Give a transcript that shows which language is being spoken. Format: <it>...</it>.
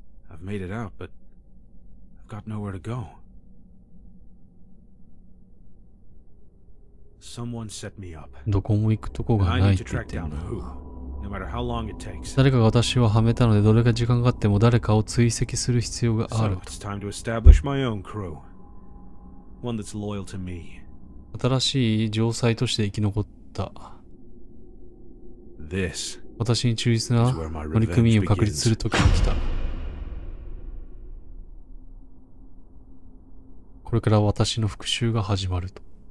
<en>I've made it out, but I've got nowhere to go. Someone set me up.</en> <ja>どこも行くとこがないって言ってんだ。</ja> <en>No matter how long it takes.</en> <ja>誰かが私をはめたので、どれか時間があっても誰かを追跡する必要がある。</ja> <en>So it's time to establish my own crew. One that's loyal to me.</en> <ja>新しい城塞として生き残った。</ja> <en>This.</en> <ja>私に忠実な乗組員を確立する時が来た。これから私の復讐が始まると。</ja>